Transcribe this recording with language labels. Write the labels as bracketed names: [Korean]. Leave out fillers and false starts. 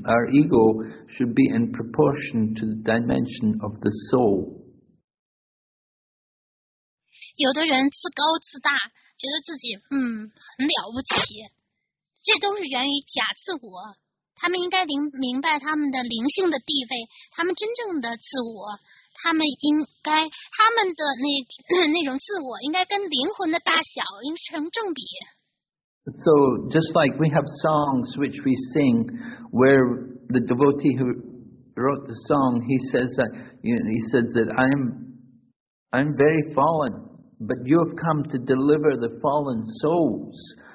[English] Our ego should be in proportion to the dimension of the soul. [Chinese] 有的人自高自大，觉得自己很了不起。这都是源于假自我，他们应该明白他们的灵性的地位，他们真正的自我，他们应该他们的那种自我应该跟灵魂的大小应成正比。 [English] So just like we have songs which we sing, where the devotee who wrote the song he says that I'm very fallen, but you have come to deliver the fallen souls.